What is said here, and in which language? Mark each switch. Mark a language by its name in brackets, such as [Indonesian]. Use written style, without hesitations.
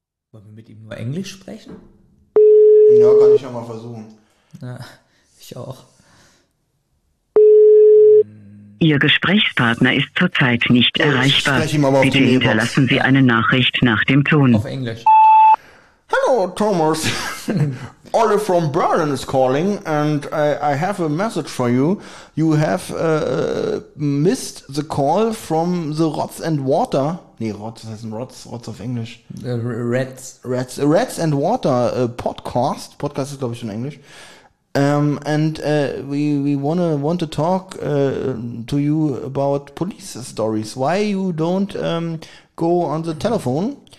[German] Wollen wir mit ihm nur Englisch sprechen? Ja, kann ich ja mal versuchen. Ja, ich auch. Ihr Gesprächspartner ist zurzeit nicht erreichbar. Ich spreche ihm aber auf bitte hinterlassen Sie eine Nachricht nach dem Ton. Auf Englisch. [English] Hello, Thomas. Olli from Berlin is calling and I have a message for you. You have missed the call from the Rots and Water. [German] Nee, Rots, das heißt Rots auf Englisch. [English] Rats. Rats and Water Podcast. [German] Podcast ist, glaube ich, schon Englisch. [English] We want to talk to you about police stories. Why you don't go on the telephone?